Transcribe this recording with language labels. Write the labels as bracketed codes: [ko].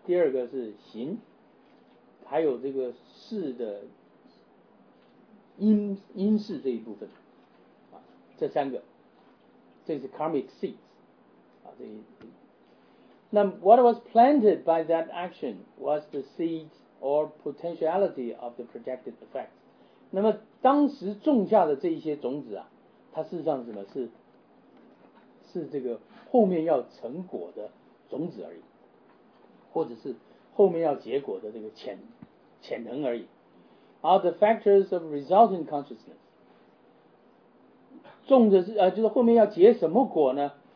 [zh] 第二个是行，还有这个事的。因事这一部分、啊、这三个，这是 [en] karmic seeds、啊、这那 what was planted by that action was the seed or potentiality of the projected effect。 [zh] 那么当时种下的这一些种子啊，它事实上是什么？是这个后面要成果的种子而已，或者是后面要结果的这个潜能而已。 [en] Are the factors of resulting consciousness? [zh] 种的是就是后面要结什么果呢？